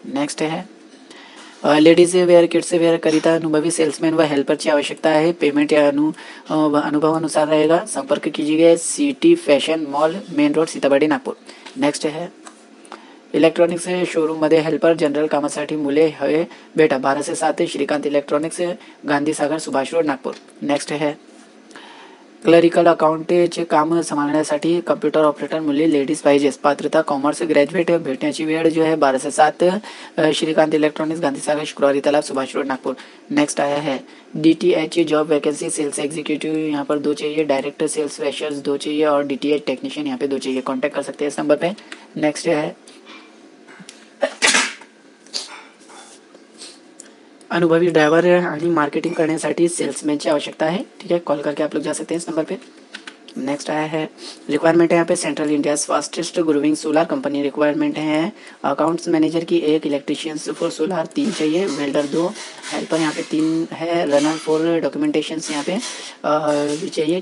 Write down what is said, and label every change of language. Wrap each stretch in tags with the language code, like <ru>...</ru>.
<hi>Next है ladies wear kids where करीता अनुभवी सेल्समैन व हेल्पर की आवश्यकता है, पेमेंट या अनुभव अनुसार रहेगा, संपर्क कीजिएगा city fashion mall main road Sitabari Nagpur. Next है</hi> <mr>इलेक्ट्रॉनिक्स शोरूम मध्ये हेल्पर जनरल कामासाठी मुले हवे बेटा 12 से 7 Shrikant electronics Gandhi Sagar Subhash road Nagpur. Next है क्लरिकल अकाउंटचे काम सांभाळण्यासाठी कम्प्युटर ऑपरेटर मुली लेडीज पाहिजेस. पात्रता कॉमर्स ग्रॅज्युएट भेटण्याची वेळ जी आहे 12-7. श्रीकांत इलेक्ट्रॉनिक्स गांधीसागर शुक्रवारी तलाव सुभाष रोड नागपूर.</mr> <hi>नेक्स्ट आया है DTH job vacancy sales executive. यहाँ पर 2 चाहिए, डायरेक्टर सेल्स फ्रेशर्स 2 चाहिए और DTH टेक्नीशियन यहाँ पे 2 चाहिए. कॉन्टेक्ट कर सकते हैं इस नंबर पे. नेक्स्ट है</hi> <mr>अनुभवी ड्राइवर आणि मार्केटिंग करण्यासाठी सेल्समॅनची आवश्यकता आहे. ठीक आहे,</mr> <hi>कॉल करके आप लोग जा सकते हैं इस नंबर पे. नेक्स्ट आया है रिक्वायरमेंट है यहाँ पे central India fastest growing solar company requirement है. अकाउंट्स मैनेजर की 1, इलेक्ट्रीशियंस फॉर सोलर 3 चाहिए, वेल्डर 2, हेल्पर यहाँ पे 3 है, रनर फॉर डॉक्यूमेंटेशन यहाँ पे चाहिए.</hi>